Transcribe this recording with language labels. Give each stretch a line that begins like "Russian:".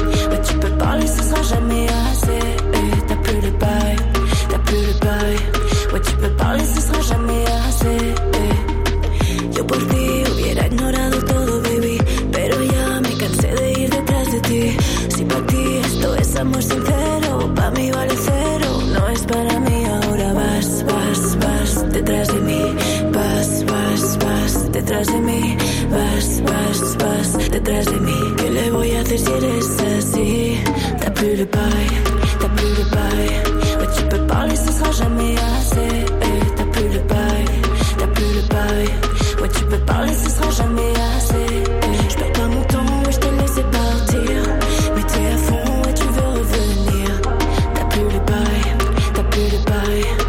French: Bah tu peux parler, ce sera jamais assez. T'as plus le bail, t'as plus le bail. Ouais tu peux parler, ce sera jamais assez.
Spanish: Yo por ti hubiera ignorado todo, baby, pero ya me cansé de ir detrás de ti. Si pa' ti esto es amor sincero, pa' mí vale cero, no es para mí. Ahora vas, vas, vas detrás de mí. Vas, vas, vas detrás de mí. Vas, vas, vas detrás de mí. ¿Qué le voy a hacer si eres así?
French: T'as plus le bail, t'as plus le bail. Ouais, tu peux parler, ce sera jamais assez. T'as plus le bail, t'as plus le bail. Ouais, tu peux parler, ce sera jamais assez. J'perds pas mon temps, ouais, j't'ai laissé partir. Mais t'es à fond, ouais, tu veux revenir. T'as plus le bail, t'as plus le bail.